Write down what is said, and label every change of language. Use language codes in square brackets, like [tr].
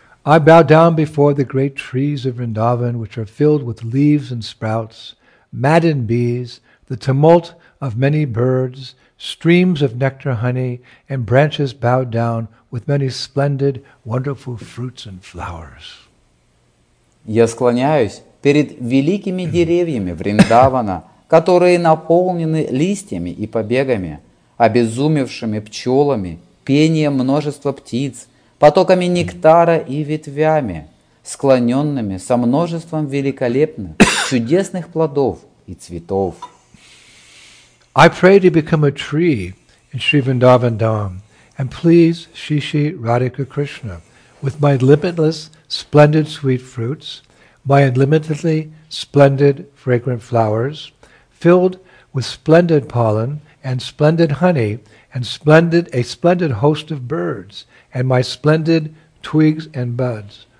[en] I bow down before the great trees of Vrindavan, which are filled with leaves and sprouts, maddened bees, the tumult of many birds, streams of nectar honey, and branches bowed down with many splendid, wonderful fruits and flowers. [ru] Я склоняюсь перед великими деревьями Вриндавана, которые наполнены листьями и побегами, обезумевшими пчелами, пением множества птиц, потоками нектара и ветвями, склоненными со множеством великолепных, чудесных плодов и цветов. [en] I pray to become a tree in Sri Vrindavan Dham and please Sri Sri Radhika Krishna with my limitless splendid sweet fruits, my unlimitedly splendid fragrant flowers, filled with splendid pollen and splendid honey and a splendid host of birds and my splendid twigs and buds.